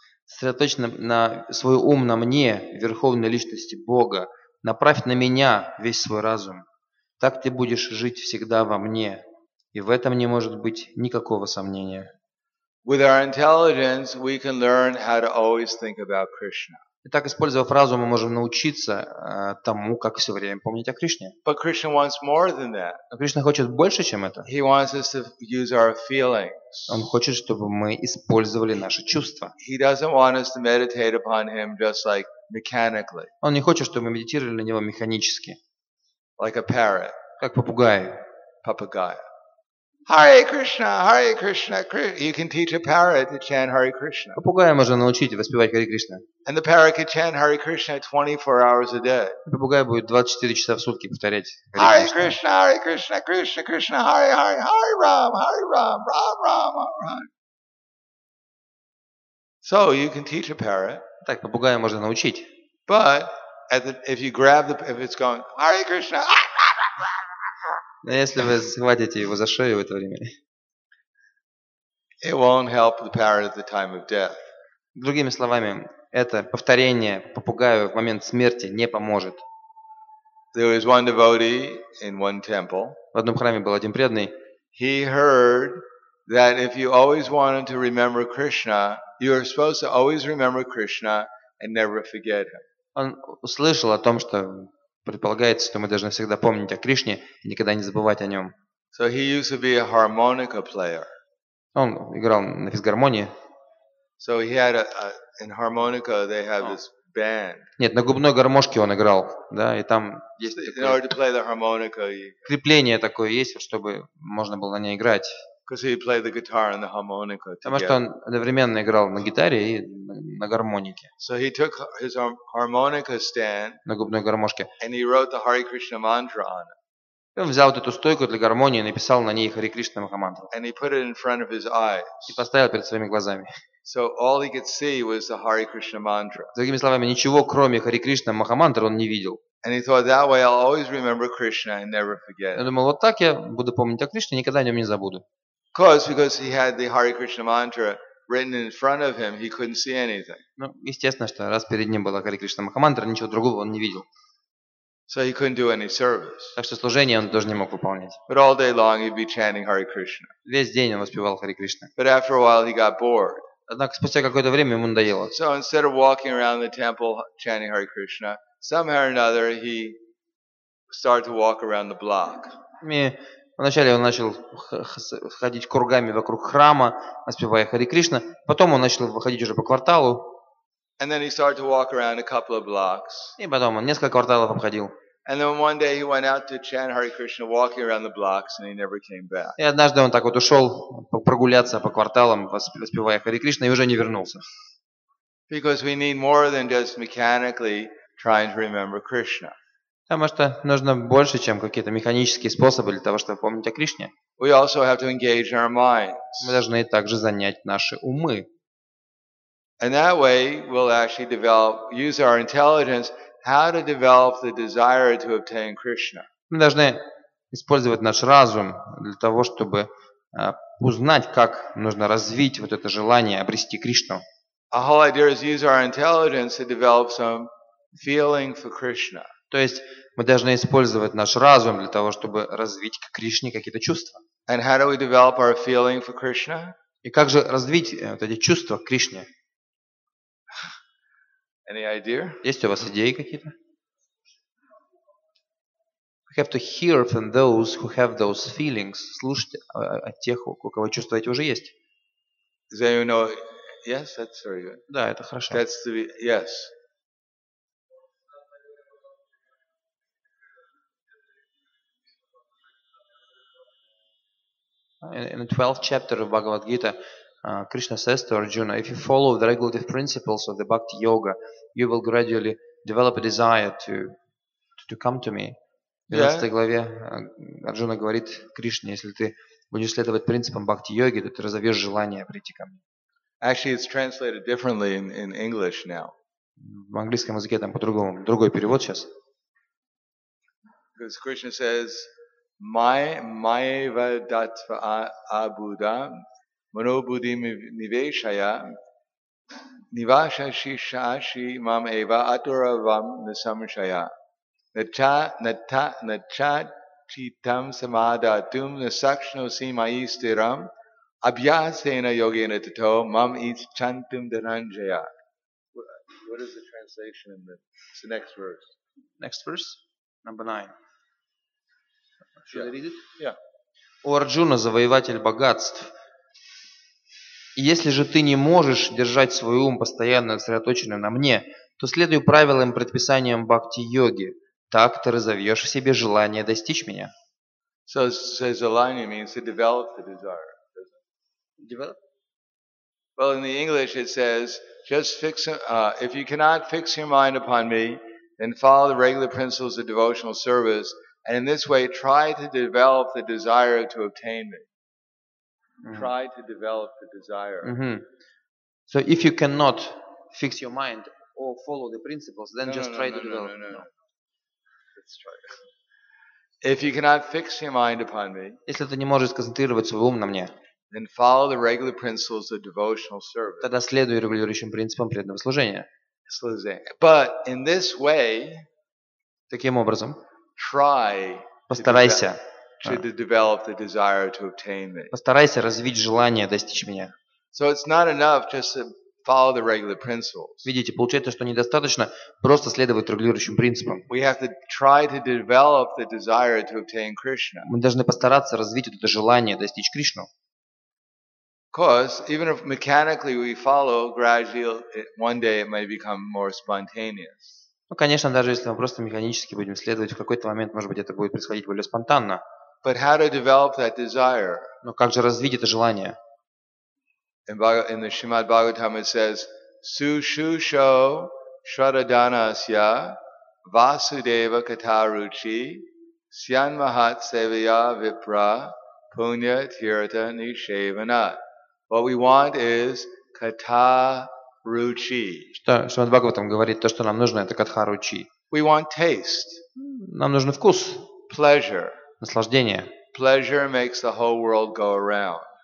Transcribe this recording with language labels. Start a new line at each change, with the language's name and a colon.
Russian: Сосредоточь на свой ум на мне, Верховной Личности Бога. Направь на меня весь свой разум. Так ты будешь жить всегда во мне, и в этом не может быть никакого сомнения.
English: With our intelligence, we can learn how to always think about Krishna.
Russian: Итак, использовав разум, мы можем научиться тому, как все время помнить о Кришне.
English: But Krishna wants more than that.
Russian: Но Кришна хочет больше, чем это.
English: He wants us to use our feelings.
Russian: Он хочет, чтобы мы использовали наши чувства.
English: He doesn't want us to meditate upon him just like mechanically.
Russian: Он не хочет, чтобы мы медитировали на него механически.
English: Like a parrot.
Russian: Как попугай.
Sanskrit: Papagaya. Hare Krishna, Hare Krishna.
English: You can teach a parrot to chant Hare Krishna.
Russian: Попугая можно научить воспевать Hare Krishna.
English: And the parrot can chant Hare Krishna 24 hours a day.
Russian: Попугай будет 24 часа в сутки повторять Hare
Sanskrit: Krishna. Hare Krishna, Hare Krishna, Krishna Krishna, Hare Hare, Hare Ram, Hare Ram, Ram Ram, Ram Ram.
English: So you can teach a parrot.
Russian: Так, попугая можно научить.
English: But if you grab the, if it's going Hare Krishna,
Russian: но если вы схватите его за шею в это время,
English: it won't help the parrot at the time of death.
Russian: Другими словами, это повторение попугаю в момент смерти не поможет.
English: There was one devotee in one temple.
Russian: В одном храме был один преданный.
English: He heard that if you always wanted to remember Krishna, you are supposed to always remember Krishna and never forget him.
Russian: Он услышал о том, что предполагается, что мы должны всегда помнить о Кришне и никогда не забывать о нем.
English: So he used to be a harmonica player.
Russian: Он играл на физгармонии.
English: So he had in harmonica they have this band.
Russian: Нет, на губной гармошке он играл, да, и там есть
English: in order to play the harmonica,
Russian: крепление такое есть, чтобы можно было на ней играть.
English: Because he played the guitar and the harmonica together.
Russian: Потому что он одновременно играл на гитаре и на гармонике.
English: So he took his harmonica stand.
Russian: На губной гармошке.
English: And he wrote the Hare Krishna mantra on it.
Russian: И он взял вот эту стойку для гармонии и написал на ней Hare Krishna mantra.
English: And he put it in front of his eyes.
Russian: И поставил перед своими глазами.
English: So all he could see was the Hare Krishna mantra.
Russian: Другими словами, ничего кроме Hare Krishna mantra он не видел.
English: And he thought that way, I'll always remember Krishna and never forget.
Russian: Я думал, вот так я буду помнить о Кришне, никогда о нем не забуду.
English: Because he had the Hare Krishna mantra written in front of him, he couldn't see anything.
Russian: Ну, естественно, что раз перед ним была Hare Krishna mantra, ничего другого он не видел.
English: So he couldn't do any service.
Russian: Так что служение он тоже не мог выполнять.
English: But all day long he'd be chanting Hare Krishna.
Russian: Весь день он воспевал Hare Krishna.
English: But after a while he got bored.
Russian: Однако спустя какое-то время ему надоело.
English: So instead of walking around the temple chanting Hare Krishna, somehow or another he started to walk around the block.
Russian: Вначале он начал ходить кругами вокруг храма, воспевая Хари Кришна. Потом он начал выходить уже по кварталу.
English: And then he started to walk around a couple of blocks.
Russian: И потом он несколько кварталов обходил.
English: And then one day he went out to chant Hare Krishna, walking around the blocks, and he never came back.
Russian: И однажды он так вот ушел прогуляться по кварталам, воспевая Хари Кришна, и уже не вернулся.
English: Because we need more than just mechanically trying to remember Krishna.
Russian: Потому что нужно больше, чем какие-то механические способы для того, чтобы помнить о Кришне.
English: We also have to engage our minds.
Russian: Мы должны также занять наши умы.
English: And that way we'll actually develop, use our intelligence, how to develop the desire to obtain Krishna.
Russian: Мы должны использовать наш разум для того, чтобы узнать, как нужно развить вот это желание обрести Кришну.
English: The whole idea is use our intelligence to develop some feeling for Krishna.
Russian: То есть мы должны использовать наш разум для того, чтобы развить к Кришне какие-то чувства.
English: And how do we develop our feeling for Krishna?
Russian: И как же развить вот эти чувства к Кришне?
English: Any idea?
Russian: Есть у вас идеи какие-то?
English: We have to hear from those who have those feelings.
Russian: Слушайте от тех, у кого чувства эти уже есть.
English: Then you know, yes, that's very good.
Russian: Да, это хорошо.
English: That's the yes. In the 12th chapter of Bhagavad Gita, Krishna says to Arjuna, if you follow the regulative principles of the Bhakti Yoga, you will gradually develop a desire to come to me.
Russian: В 12 главе Арджуна говорит Кришне, если ты будешь следовать принципам Бхакти Йоги, то ты разовьешь желание прийти ко мне.
English: Actually, it's translated differently in English now.
Russian: В английском языке там по-другому, другой перевод сейчас.
English: Because Krishna says,
Sanskrit: Майва датва абуда манобудим нивешая нивашаши шаши мам эва атуравам насамшая нача читам самада тум насакшно симаи стирам абьясена йогена тато мам ис чантум дананжая.
English: What is the translation in it's the next verse. Next verse, number 9. Yeah.
Russian: У Арджуна завоеватель богатств. Если же ты не можешь держать свой ум постоянно сосредоточенным на мне, то следуй правилам и предписаниям бхакти-йоги. Так ты разовьешь в себе желание достичь меня.
English: So, so желание means to develop the desire, doesn't it? Develop? Well, in the English it says, just fix, if you cannot fix your mind upon me, then follow the regular principles of devotional service. And in this way, try to develop the desire to obtain it. Mm-hmm. Try to develop the desire. Mm-hmm. So if you cannot fix your mind or follow the principles, then develop. No. Let's try. If you cannot fix your mind upon me,
Russian: если ты не можешь сконцентрировать свой ум на мне,
English: then follow the regular principles of devotional service.
Russian: Тогда следуй регулирующим принципам преданного служения.
English: But in this way,
Russian: таким образом,
English: try
Russian: постарайся,
English: develop the desire to obtain it.
Russian: Постарайся развить желание достичь меня.
English: So it's not enough just to follow the regular principles.
Russian: Видите, получается, что недостаточно просто следовать регулирующим принципам.
English: We have to try to develop the desire to obtain Krishna.
Russian: Мы должны постараться развить это желание достичь Кришну.
English: Because even if mechanically we follow, gradually one day it may become more spontaneous.
Russian: Ну, конечно, даже если мы просто механически будем следовать, в какой-то момент, может быть, это будет происходить более спонтанно.
English: But how to develop that desire?
Russian: Но как же развить это желание?
English: In the Srimad Bhagavatam it says,
Sanskrit: Sushusho Shraddhanasya Vasudeva Kataruchi Syanmahat Sevaya Vipra Punya Tirata Nishevana.
English: What we want is Kataruchi.
Russian: Что Шримад Бхагаватам говорит, то, что нам нужно, это Катхаручи.
English: We want taste.
Russian: Нам нужен вкус.
English: Pleasure.
Russian: Наслаждение.
English: Pleasure makes the whole world go around.